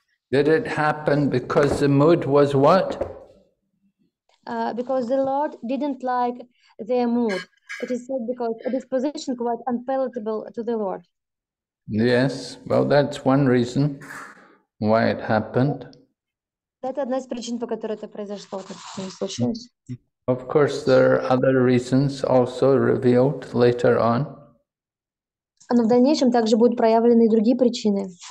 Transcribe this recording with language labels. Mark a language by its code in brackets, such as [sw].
[en] Did it happen because the mood was what? Because the Lord didn't like their mood. It is said because a disposition quite unpalatable to the Lord. Yes, well, that's one reason why it happened. [ru] Это одна из причин, по которой это произошло, так не случилось. [en] Of course, there are other reasons also revealed later on. [ru] Но в дальнейшем также будут проявлены и другие причины.